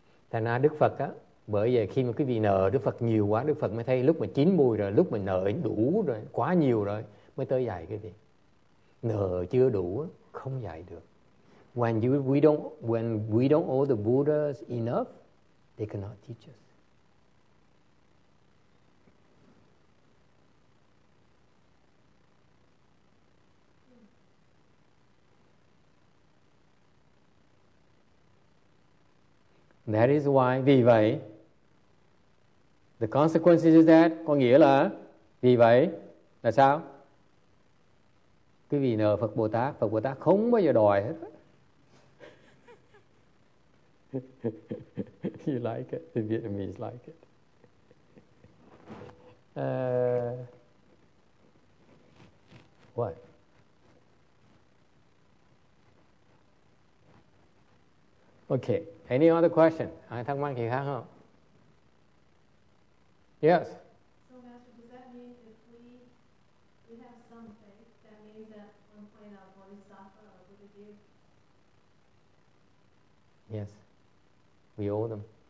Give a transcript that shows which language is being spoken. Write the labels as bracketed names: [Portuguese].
[Vietnamese] Thành ra Đức Phật á, bởi vì khi mà quý vị nợ Đức Phật nhiều quá, Đức Phật mới thấy lúc mà chín mùi rồi, lúc mà nợ đủ rồi, quá nhiều rồi, mới tới dạy cái gì. Nợ chưa đủ, không dạy được. [English] When we don't owe the Buddhas enough, they cannot teach us. That is why, [Vietnamese] vì vậy, [English] the consequences is that, [Vietnamese] có nghĩa là, vì vậy, là sao? Quý vị nợ Phật Bồ Tát không bao giờ đòi hết. [English] You like it, the Vietnamese like it. What? Okay. Any other question? [Vietnamese] Ai thắc mắc gì khác không? [English] Yes. So Master, does that mean if we have some faith, that means that one point of Bodhisattva or Buddha gave? Yes. We owe them.